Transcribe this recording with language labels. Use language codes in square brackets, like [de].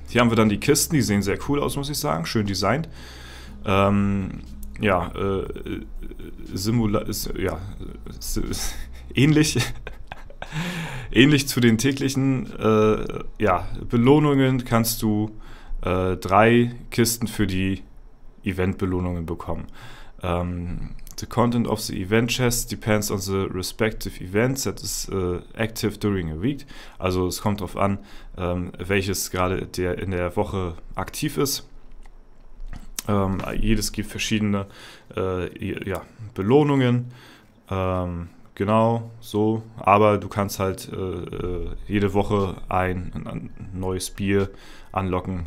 [de] Hier haben wir dann die Kisten, die sehen sehr cool aus, muss ich sagen. Schön designt. Ähnlich. Ähnlich zu den täglichen Belohnungen kannst du 3 Kisten für die Eventbelohnungen bekommen. [en] The content of the event chest depends on the respective events that is active during a week. [de] Also es kommt darauf an, welches gerade in der Woche aktiv ist. Jedes gibt verschiedene Belohnungen. Genau so. Aber du kannst halt jede Woche ein neues Bier anlocken.